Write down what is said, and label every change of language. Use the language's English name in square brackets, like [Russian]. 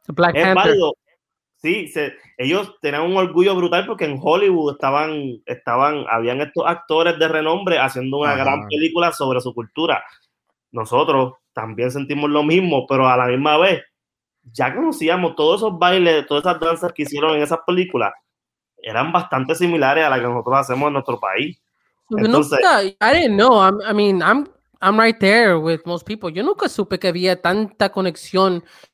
[Spanish] Black Panther. Es válido. Sí, ellos tenían un orgullo brutal porque en Hollywood habían estos actores de renombre haciendo una gran película sobre su cultura. Nosotros también sentimos lo mismo, pero a la misma vez ya conocíamos todos esos bailes, todas esas danzas que hicieron en esas películas, eran bastante similares a las que nosotros hacemos en nuestro país. Entonces, nunca, [English] I didn't know. I'm right there with most people. [Spanish] Yo nunca supe que había tanta conexión.